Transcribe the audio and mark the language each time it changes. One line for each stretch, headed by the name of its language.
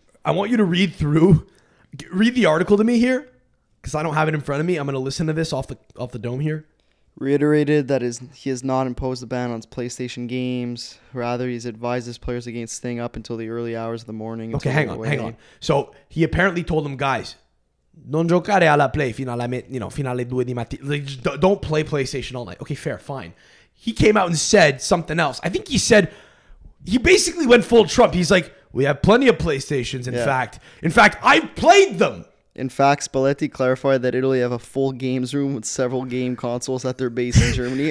English: I want you to read the article to me here, because I don't have it in front of me. I'm going to listen to this off the dome here. Reiterated that he has not imposed a ban on PlayStation games. Rather, he's advised his players against staying up until the early hours of the morning. Okay, hang on. So he apparently told them, guys,
Italian: non giocare alla play fino alle due di mattina.
English: Like, don't play PlayStation all night. Okay, fair, fine. He came out and said something else. I think he said, he basically went full Trump. He's like, we have plenty of PlayStations, in fact. In fact, I've played them. In fact, Spalletti clarified that Italy have a full games room with several game consoles at their base in Germany.